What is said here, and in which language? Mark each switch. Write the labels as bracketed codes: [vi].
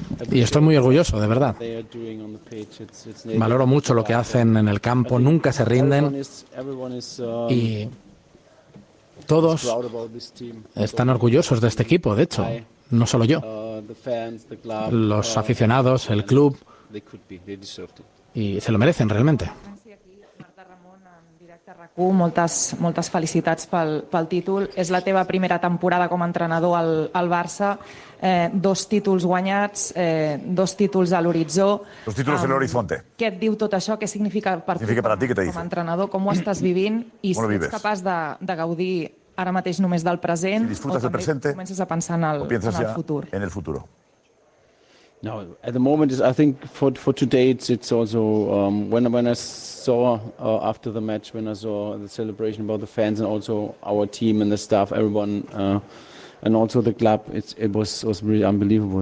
[es] Y estoy muy orgulloso, de verdad. Valoro mucho lo que hacen en el campo, nunca se rinden. Y todos están orgullosos de este equipo, de hecho, no solo yo. Los aficionados, el club, y se lo merecen realmente. [ca] Moltes felicitats pel títol. És la teva primera temporada com a entrenador al Barça. Dos títols guanyats, dos títols a l'horitzó. [es] Dos títols en l'horizonte. [ca] Què et diu tot això? Què significa per a ti que com a entrenador? Com ho estàs vivint? I si ets capaç de gaudir ara mateix només del present, [es] si disfrutes del presente, [ca] comences a pensar en el futur. [es] En el futuro. [en] No, at the moment is, I think for today it's also when I saw after the match, when I saw the celebration about the fans and also our team and the staff, everyone, and also the club, it was really unbelievable.